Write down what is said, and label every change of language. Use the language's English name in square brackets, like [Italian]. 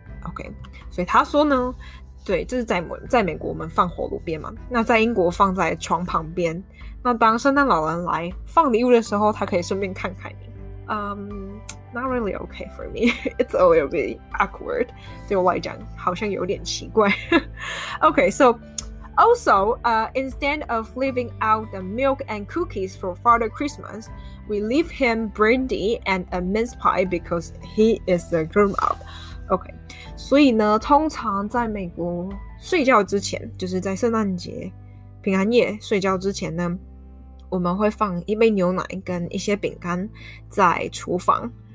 [Chinese] Okay, 所以他说呢，对，这是在美国我们放火炉边嘛，那在英国放在床旁边，那当圣诞老人来放礼物的时候，他可以顺便看看你。 [English] Not really okay for me. It's a little bit awkward. [Chinese] 对我来讲，好像有点奇怪。 [English] Okay, so... Also, instead of leaving out the milk and cookies for Father Christmas, we leave him brandy and a mince pie because he is a grown-up. [Chinese] Okay, 所以呢，通常在美国睡觉之前，就是在圣诞节、平安夜睡觉之前呢，我们会放一杯牛奶跟一些饼干在厨房。